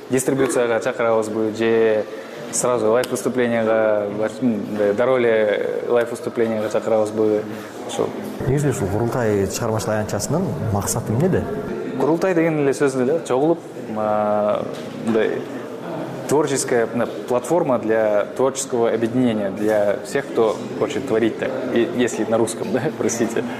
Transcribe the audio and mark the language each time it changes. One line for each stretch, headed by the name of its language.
Kyrgyz: Дистрибуцияга чакырабызбы же сразу лайф выступленияга, дароле лайф выступленияга чакырабызбы? Ошо негизи ушул курултай чыгармачыл аянтчасынын максаты эмнеде? Курултай деген эле сөздү эле чогулуп мындай
Russian: творческая платформа для творческого объединения, для всех, кто хочет творить так, если на русском, да, простите.